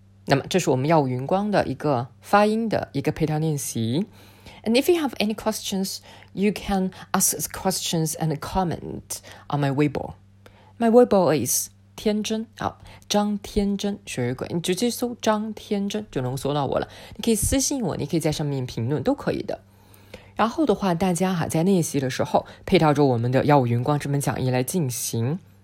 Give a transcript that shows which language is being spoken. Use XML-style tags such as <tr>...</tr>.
<zh>那么这是我们耀武云光的一个发音的一个配套练习。</zh> <en>And if you have any questions, you can ask questions and comment on my Weibo. My Weibo is</en> <zh>天真好张天真学鬼，你直接搜张天真就能搜到我了。你可以私信我，你可以在上面评论都可以的。然后的话，大家哈在练习的时候配套着我们的耀武云光这门讲义来进行。</zh>